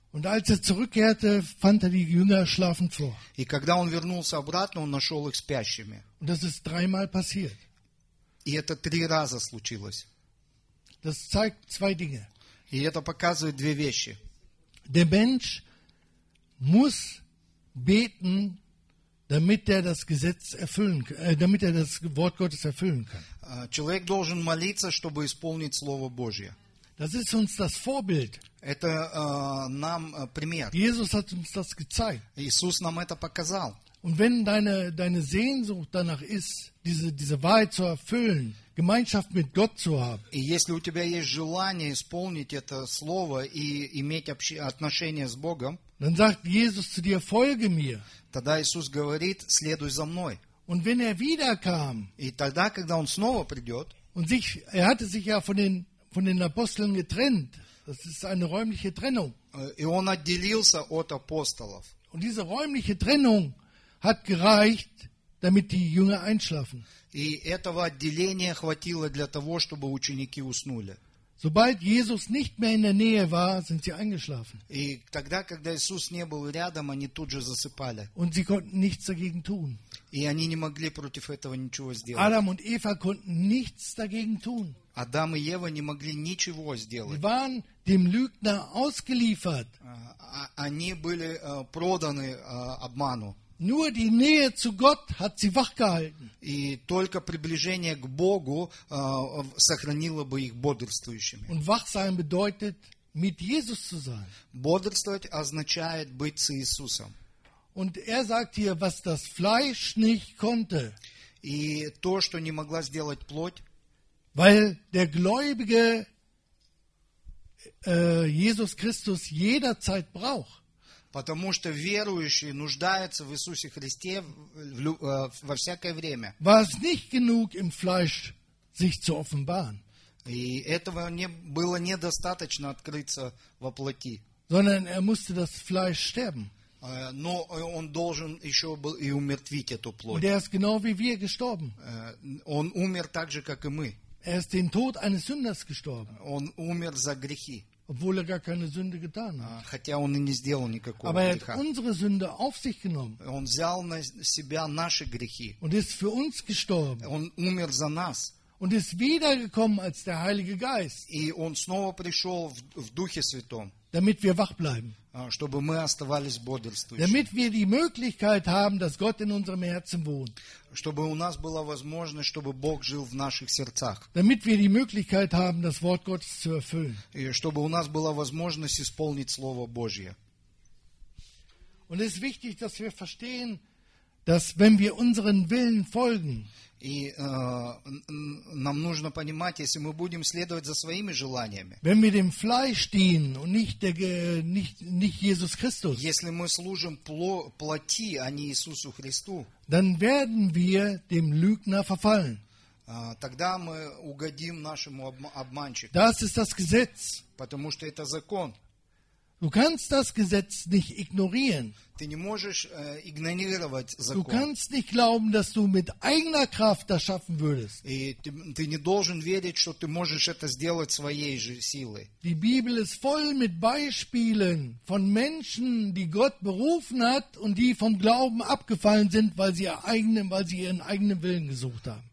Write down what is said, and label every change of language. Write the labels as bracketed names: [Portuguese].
[German] Und als er zurückkehrte, fand er die Jünger schlafen vor. [Russian] И когда он вернулся обратно, он нашел их спящими. [German] Und das ist dreimal passiert. [Russian] И это три раза случилось. [German] Das zeigt zwei Dinge. [Russian] И это показывает две вещи. [German] Der Mensch muss beten, damit er das Wort Gottes erfüllen kann. [Russian] Человек должен молиться, чтобы исполнить Слово Божье. [German] Das ist uns das Vorbild. [Russian] Это нам пример. [German] Jesus hat uns das gezeigt. [Russian] Иисус нам это показал. [German] Und wenn deine Sehnsucht danach ist, diese Wahrheit zu erfüllen, Gemeinschaft mit Gott zu haben. [Russian] И если у тебя есть желание исполнить это Слово и иметь отношения с Богом, [German] dann sagt Jesus zu dir: Folge mir. [Russian] Тогда Иисус говорит: следуй за мной. [German] Und wenn er wiederkam, [Russian] и тогда, когда он снова придет, [German] und sich, hatte sich ja von den Aposteln getrennt. Das ist eine räumliche Trennung. [Russian] И он отделился от апостолов. [German] Und diese räumliche Trennung hat gereicht, damit die Jünger einschlafen. [Russian] И этого отделения хватило для того, чтобы ученики уснули. [German] Sobald Jesus nicht mehr in der Nähe war, sind sie eingeschlafen. [Russian] И тогда, когда Иисус не был рядом, они тут же засыпали. [German] Und sie konnten nichts dagegen tun. [Russian] И они не могли против этого ничего сделать. [German] Adam und Eva konnten nichts dagegen tun. [Russian] Адам и Ева не могли ничего сделать. [German] Sie waren dem Lügner ausgeliefert. [Russian] Они были проданы обману. [German] Nur die Nähe zu Gott hat sie wachgehalten. [Russian] И только приближение к Богу сохранило бы их бодрствующими. [German] Und wach sein bedeutet, mit Jesus zu sein. [Russian] Бодрствовать означает быть с Иисусом. [German] Und er sagt hier, was das Fleisch nicht konnte. [Russian] И то, что не могла сделать плоть. [German] Weil der Gläubige Jesus Christus jederzeit braucht. [Russian] Потому что верующий нуждается в Иисусе Христе во всякое время. [German] War es nicht genug im Fleisch, sich zu offenbaren. [Russian] И этого не было недостаточно открыться во плоти. [German] Sondern er musste das Fleisch sterben. [Russian] Но он должен еще был и умертвить эту плоть. [German] Und er ist genau wie wir gestorben. [Russian] Он умер так же, как и мы. [German] Er ist den Tod eines Sünders gestorben. [Russian] Он умер за грехи. [German] Obwohl er gar keine Sünde getan hat. [Russian] Хотя он и не сделал никакого [German] Aber [Russian] греха. [German] Hat unsere Sünde auf sich genommen. [Russian] Он взял на себя наши грехи. [German] Und ist für uns gestorben. [Russian] Он умер за нас. [German] und ist wiedergekommen als der Heilige Geist. [Russian] И он снова пришел в Духе Святом. [German] Damit wir wach bleiben. [Russian] Чтобы мы оставались бодрствующими. [German] Damit wir die Möglichkeit haben, dass Gott in unserem Herzen wohnt. [Russian] Чтобы у нас была возможность, чтобы Бог жил в наших сердцах. [German] Damit wir die Möglichkeit haben, das Wort Gottes zu erfüllen. [Russian] И чтобы у нас была возможность исполнить Слово Божье. [German] Und es ist wichtig, dass wir verstehen, dass wenn wir unseren Willen folgen, [Russian] нам нужно понимать, если мы будем следовать за своими желаниями, [German] wenn wir dem Fleisch dienen und nicht Jesus Christus, [Russian] если мы служим плоти, а не Иисусу Христу, [German] dann werden wir dem Lügner verfallen. [Russian] Тогда мы угодим нашему обманщику. [German] Das ist das Gesetz. [Russian] Потому что это закон. [German] Du kannst das Gesetz nicht ignorieren. [Russian] Ты не можешь игнорировать закон. [German] Du kannst nicht glauben, dass du mit eigener Kraft das schaffen würdest. [Russian] И ты не должен верить, что ты можешь это сделать своей же силой. [German] Die Bibel ist voll mit Beispielen von Menschen, die Gott berufen hat und die vom Glauben abgefallen sind, weil sie ihren eigenen Willen gesucht haben.